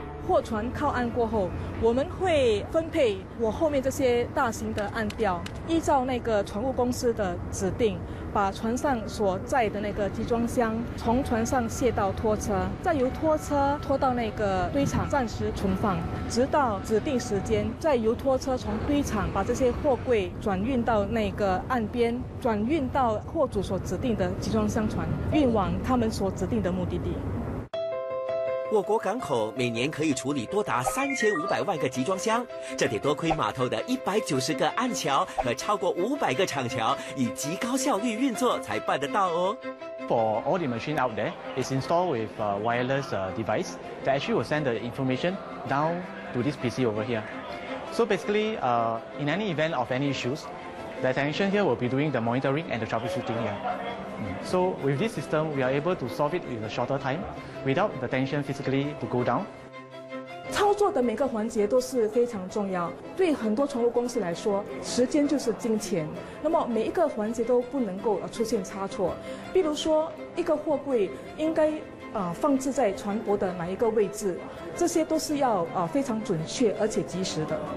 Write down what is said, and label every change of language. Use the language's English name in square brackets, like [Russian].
[Chinese] 货船靠岸过后，我们会分配我后面这些大型的岸吊，依照那个船务公司的指定，把船上所载的那个集装箱从船上卸到拖车，再由拖车拖到那个堆场暂时存放，直到指定时间，再由拖车从堆场把这些货柜转运到那个岸边，转运到货主所指定的集装箱船，运往他们所指定的目的地。我国港口每年可以处理多达3500万个集装箱，这得多亏码头的190个岸桥和超过500个厂桥以极高效率运作才办得到哦。 [English] For all the machine out there, it's installed with a wireless device that actually will send the information down to this PC over here. So basically, in any event of any issues, the technician here will be doing the monitoring and the troubleshooting here. So with this system, we are able to solve it in a shorter time. Without the tension physically to go down. [Chinese] 操作的每个环节都是非常重要，对很多船务公司来说，时间就是金钱。那么每一个环节都不能够出现差错，比如说一个货柜应该放置在船舶的哪一个位置，这些都是要非常准确而且及时的。